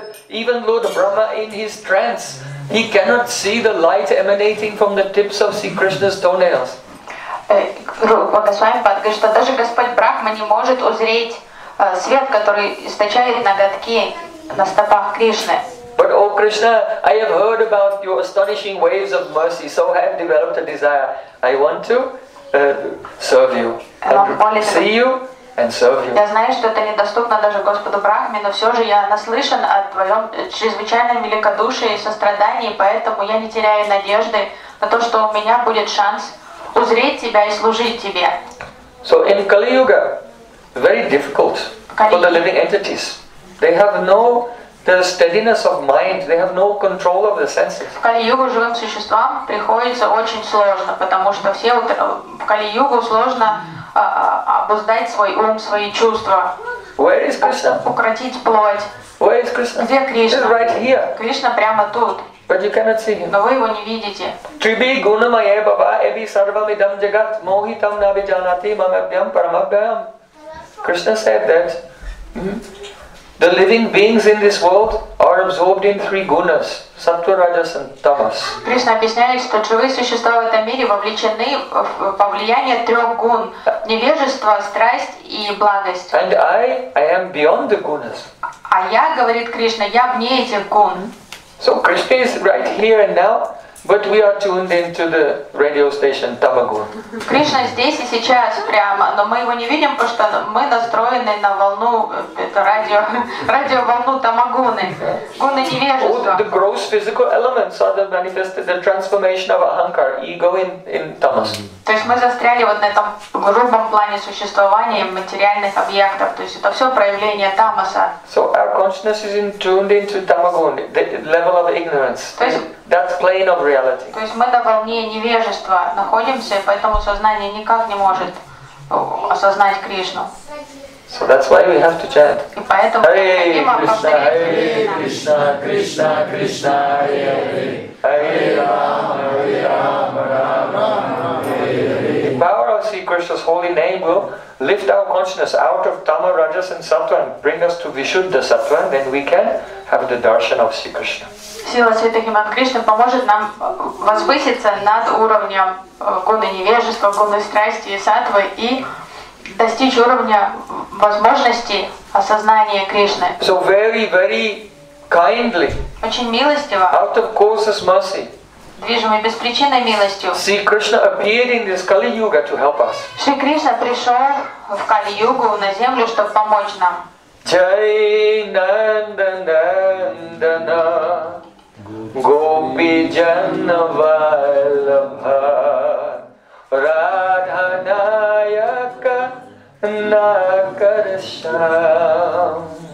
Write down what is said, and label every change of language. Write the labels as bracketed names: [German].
[English] Even Lord Brahma in his trance, he cannot see the light emanating from the tips of Sri Krishna's toenails. [Russian] Бхагасвами Пад говорит, что даже Господь Брахма не может узреть свет, который источает ноготки на стопах Кришны. [English] But O Krishna, I have heard about your astonishing waves of mercy, so I have developed a desire. I want to serve you, see you. [Russian] Я знаю, что это недоступно даже Господу Брахме, но все же я наслышан о твоем чрезвычайном великодушии и сострадании, поэтому я не теряю надежды на то, что у меня будет шанс узреть тебя и служить тебе. [English] So in Kali Yuga, very difficult for the living entities. They have no the steadiness of mind. They have no control of the senses. [Russian] В Кали Югу живым существам приходится очень сложно, потому что все в Кали Югу сложно обуздать свой ум, свои чувства. [English] Where is Krishna? [Russian] Укротить плоть. [English] Where is Krishna? [Russian] Где Кришна? [English] He's right here. [Russian] Кришна прямо тут. [English] But you cannot see him. [Russian] Но вы его не видите. [Sanskrit] Triby guna maya baba ebi sarvamidam jagat mohitam nabi janati mamabhyam paramabhyam. [English] Krishna said that the living beings in this world are absorbed in three gunas: sattva, rajas, and tamas. [Russian] Krishna объясняет, что живые существа в этом мире вовлечены во влияние трех гун: невежество, страсть и благость. [English] And I am beyond the gunas. [Russian] А я, говорит Кришна, я вне этих гун. [English] So Krishna is right here and now, but we are tuned into the radio station Tamagun. [Russian] Кришна здесь и сейчас прямо, но мы его не видим, потому что мы настроены на волну это радиоволну Тамагуны. Гуны невежества. [English] All the gross physical elements are the manifested the transformation of ahankar, ego in tamas. [Russian] То есть мы застряли вот на этом грубом плане существования материальных объектов. То есть это все проявление тамаса. [English] So our consciousness is tuned into Tamagun, the level of ignorance. That plane of reality. [Russian] То есть мы на волне невежества находимся, поэтому сознание никак не может осознать Кришну. [English] So that's why we have to chant. [Russian] И поэтому [Sanskrit] Hare Krishna, Hare Krishna, Krishna, Krishna, Krishna, Hare Hare, Hare Rama, Hare Rama, Rama Rama, Hare Hare. [English] The power of Sri Krishna's holy name will lift our consciousness out of Tama, Rajas and Sattva and bring us to Vishuddha Sattva, and then we can have the darshan of Sri Krishna. [Russian] Сила святых имен Кришны поможет нам возвыситься над уровнем гуны невежества, гуны страсти и саттвы и достичь уровня возможности осознания Кришны. [English] So very, very kindly, [Russian] очень милостиво, [English] out of causes mercy, [Russian] движимый без причины милостью, [English] Sri Krishna appeared in this Kali Yuga to help us. [Russian] Шри Кришна пришел в Кали Югу на землю, чтобы помочь нам. [Sanskrit] Jai Nandanandana Gopi Janna Vallabha Radha Nayaka Nakarsham